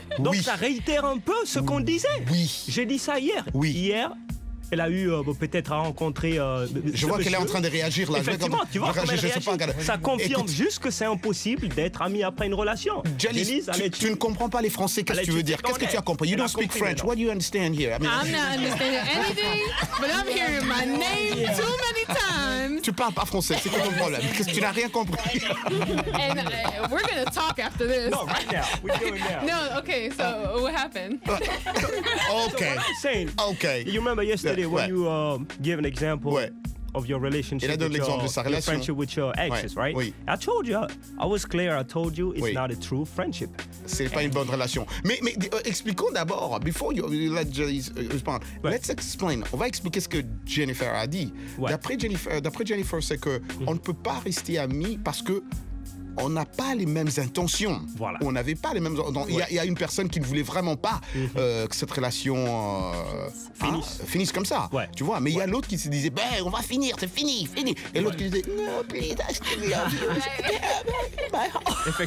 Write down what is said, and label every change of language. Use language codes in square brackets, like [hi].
[fr] Donc ça réitère un peu ce qu'on disait. Oui. J'ai dit ça hier. Oui. Hier, elle a eu peut-être à rencontrer. Je vois qu'elle est en train de réagir là. Effectivement, tu vois. Ça confirme juste que c'est impossible d'être ami après une relation. Janice, tu ne comprends pas les Français. Qu'est-ce que tu veux dire? Qu'est-ce que tu as compris? [en] You don't speak French. What do you understand here? I'm not understanding anything, but I'm hearing my name too many times. [fr] Tu parles pas français, c'est ton problème. Qu'est-ce que tu n'as rien compris? [en] And we're gonna talk after this. No, right now. We're doing now. No, okay. So what happened? Okay. Okay. You remember yesterday? When you give an example of your relationship, your friendship with your exes, right? [fr] Oui. [en] I told you, I was clear. I told you it's not a true friendship. [fr] C'est pas une bonne relation. Mais expliquons d'abord. [en] Before you let Jennifer respond, let's explain. [fr] On va expliquer ce que Jennifer a dit. Ouais. D'après Jennifer, c'est que on ne peut pas rester amis parce que on n'a pas les mêmes intentions. Voilà. On n'avait pas les mêmes. Il y a une personne qui ne voulait vraiment pas que cette relation finisse comme ça. Ouais. Tu vois. Mais il y a l'autre qui se disait, ben, on va finir, c'est fini. Et l'autre qui disait, [en] no, please, I still love you.